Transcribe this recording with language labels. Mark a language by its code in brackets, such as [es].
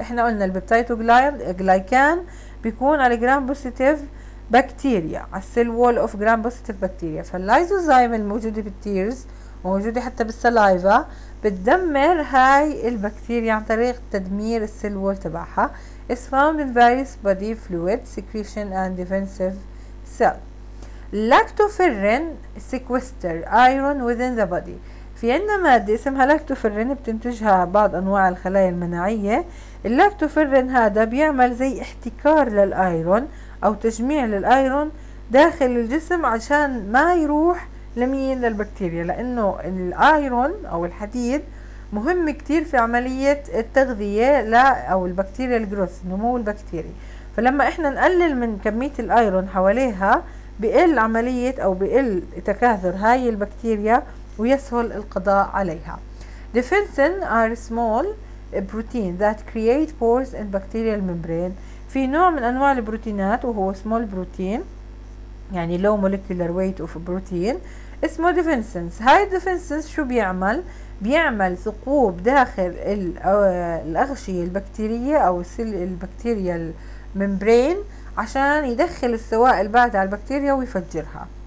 [ar] احنا قلنا البيبتايدوغلايكان بيكون على gram positive بكتيريا، على cell wall of gram positive بكتيريا، فاللايزوزايم الموجودة بالتيرز وموجودة حتى بالسلايفا بتدمر هاي البكتيريا عن طريق تدمير السيل وول تبعها. [en] It's found in various body fluids, secretion and defensive cell. Lactoferrin sequester iron within the body. [ar] في عنا مادة اسمها لاكتوفرين بتنتجها بعض أنواع الخلايا المناعية. اللاكتوفرين هذا بيعمل زي احتكار للآيرون أو تجميع للآيرون داخل الجسم عشان ما يروح لمين؟ للبكتيريا، لأنه الآيرون أو الحديد مهم كتير في عملية التغذية أو البكتيريا الجروث، نمو البكتيري. فلما إحنا نقلل من كمية الآيرون حواليها بقل عملية أو بقل تكاثر هاي البكتيريا ويسهل القضاء عليها. [en] Defensin are small protein that create pores in bacterial membrane. [ar] في نوع من أنواع البروتينات وهو small protein، يعني [en] low molecular weight of protein، [ar] اسمه defensins. هاي defensins شو بيعمل؟ بيعمل ثقوب داخل الأغشية البكتيرية أو السل البكتيريا الممبرين عشان يدخل السوائل بعد على البكتيريا ويفجرها.